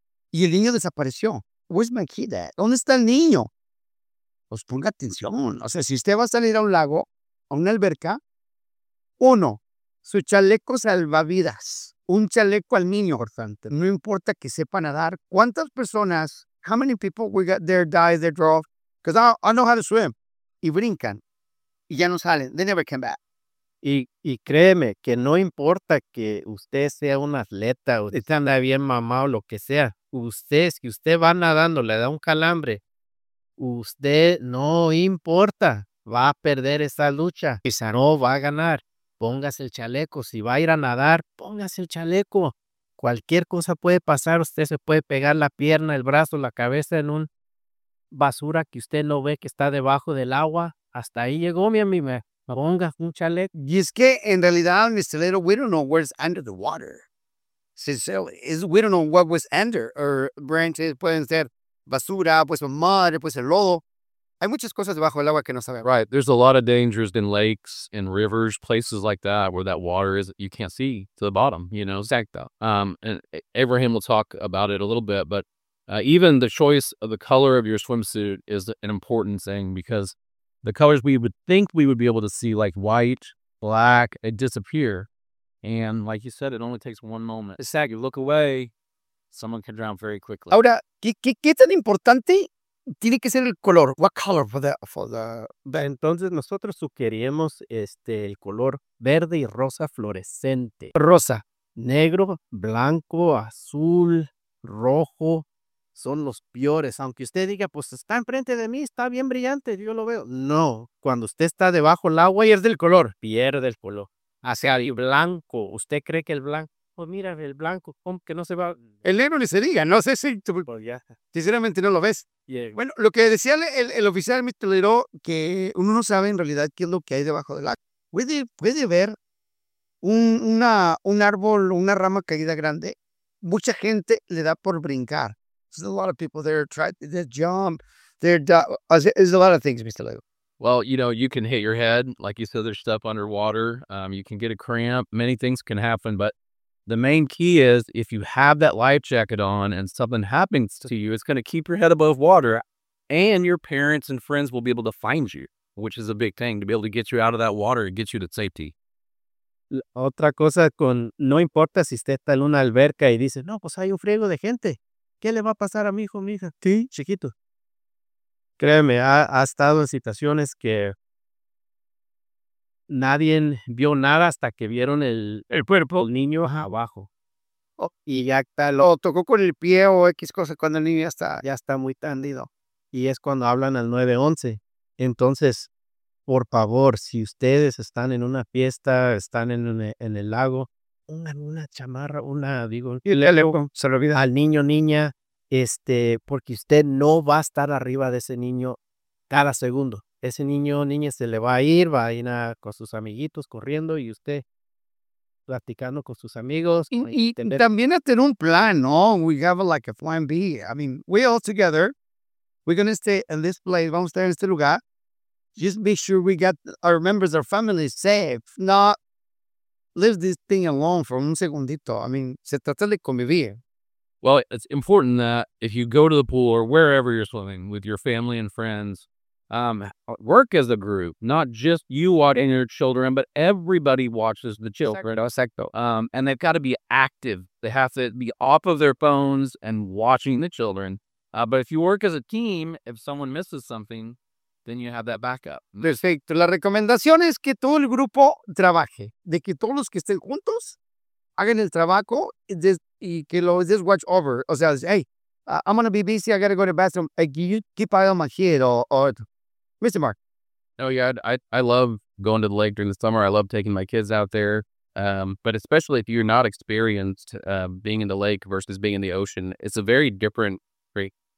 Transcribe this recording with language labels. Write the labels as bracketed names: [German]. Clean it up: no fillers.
[Spanish] Y el niño desapareció. [English] Where's my kid at? [Spanish] ¿Dónde está el niño? Pues ponga atención. O sea, si usted va a salir a un lago, a una alberca, uno, su chaleco salvavidas, un chaleco al niño. Importante. No importa que sepa nadar. ¿Cuántas personas? [English] How many people we got there die, they drove? Because I know how to swim. [Spanish] Y brincan. Y ya no salen. [English] They never came back. [Spanish] Y créeme que no importa que usted sea un atleta o Están. está bien mamado o lo que sea, usted, si usted va nadando, le da un calambre, usted no importa, va a perder esa lucha, Exacto. no va a ganar. Póngase el chaleco, si va a ir a nadar, póngase el chaleco. Cualquier cosa puede pasar, usted se puede pegar la pierna, el brazo, la cabeza en un basura que usted no ve que está debajo del agua. Hasta ahí llegó, mi amigo. Ponga un chaleco. Y es que en realidad, Mr. [English] Little, we don't know where's under the water. Sincerely, we don't know what was under or branches. [Spanish] Pueden ser basura, pues mud, pues el lodo. Hay muchas cosas debajo del agua que no sabemos. [English] Right. There's a lot of dangers in lakes and rivers, places like that, where that water is, you can't see to the bottom, you know? [Spanish] Exacto. [English] And Abraham will talk about it a little bit, but Even the choice of the color of your swimsuit is an important thing, because the colors we would think we would be able to see, like white, black, they disappear. And like you said, it only takes one moment. The second you look away, someone can drown very quickly. [Spanish] Ahora, ¿qué tan importante tiene que ser el color? [English] What color for the... [Spanish] Entonces, nosotros sugerimos el color verde y rosa fluorescente. Rosa. Negro, blanco, azul, rojo, son los peores. Aunque usted diga, pues está enfrente de mí, está bien brillante, yo lo veo. No, cuando usted está debajo del agua y es del color, pierde el color. Hacia el blanco, usted cree que el blanco, pues mira, el blanco, ¿cómo que no se va? El negro ni se diga, no sé si tú, pues ya. Sinceramente no lo ves. [English] Yeah. [Spanish] Bueno, lo que decía el oficial Mr. Little, que uno no sabe en realidad qué es lo que hay debajo del agua. Puede ver un árbol, una rama caída grande. Mucha gente le da por brincar. [English] There's a lot of people there, they jump, there's a lot of things, Mr. Little. Well, you know, you can hit your head. Like you said, there's stuff underwater. You can get a cramp. Many things can happen. But the main key is if you have that life jacket on and something happens to you, it's going to keep your head above water. And your parents and friends will be able to find you, which is a big thing, to be able to get you out of that water and get you to safety. [Spanish] Otra cosa con, no importa si usted está en una alberca y dice, no, pues hay un friego de gente. ¿Qué le va a pasar a mi hijo, mi hija? Sí, chiquito. Créeme, ha estado en situaciones que nadie vio nada hasta que vieron el cuerpo, el niño abajo. Oh, y ya está, tocó con el pie o X cosa cuando el niño ya está muy tendido. Y es cuando hablan al 911. Entonces, por favor, si ustedes están en una fiesta, están en el lago, pongan una chamarra, y el teléfono, se lo olvida. Al niño, niña. Porque usted no va a estar arriba de ese niño cada segundo. Ese niño o niña se le va a ir a, con sus amiguitos corriendo y usted platicando con sus amigos. Y también a tener un plan, ¿no? [English] We have a plan B. I mean, we all together, we're going to stay in this place. [Spanish] Vamos a estar en este lugar. [English] Just make sure we got our members, our families safe. Not leave this thing alone for [Spanish] un segundito. [English] I mean, [Spanish] se trata de convivir. [English] Well, it's important that if you go to the pool or wherever you're swimming with your family and friends, work as a group, not just you watching your children, but everybody watches the children. [Spanish] Exacto. [English] And they've got to be active. They have to be off of their phones and watching the children. But if you work as a team, if someone misses something, then you have that backup. [Spanish] Perfecto. La recomendación es que todo el grupo trabaje, de que todos los que estén juntos hagan el trabajo y que lo [English] just watch over. [Spanish] O sea, [English] hey, I'm going to be busy. I got to go to the bathroom. Like, you keep eye on my kid. Mr. Mark. Oh, yeah. I love going to the lake during the summer. I love taking my kids out there. But especially if you're not experienced being in the lake versus being in the ocean, it's a very different creek.